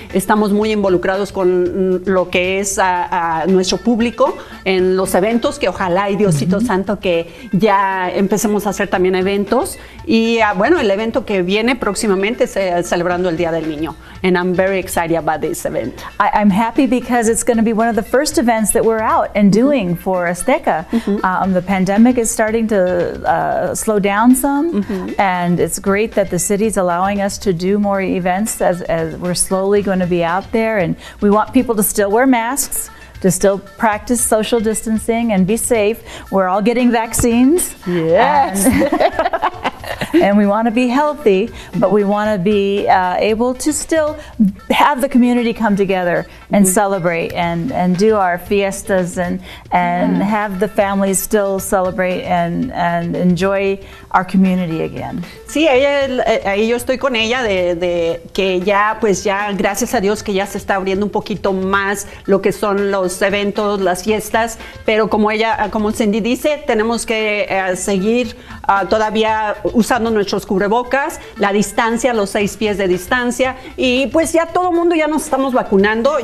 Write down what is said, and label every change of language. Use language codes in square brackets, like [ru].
[es] Estamos muy involucrados con lo que es a nuestro público en los eventos, que ojalá y Diosito Santo que ya empecemos a hacer también eventos. Y bueno, el evento que viene próximamente es celebrando el Día del Niño. [en] And I'm very excited about this event. I'm happy because it's going to be one of the first events that we're out and doing for Azteca. The pandemic is starting to slow down some, and it's great that the city's allowing us to do more events as we're slowly going to be out there. And we want people to still wear masks, to still practice social distancing and be safe. We're all getting vaccines. Yes. And we want to be healthy, but we want to be able to still have the community come together and celebrate and do our fiestas and have the families still celebrate and enjoy our community again. [es] Sí, ahí yo estoy con ella de que ya, pues ya, gracias a Dios que ya se está abriendo un poquito más lo que son los eventos, las fiestas, pero como Cindy dice, tenemos que seguir todavía usando nuestros cubrebocas, la distancia, los 6 pies de distancia, y pues ya todo el mundo ya nos estamos vacunando.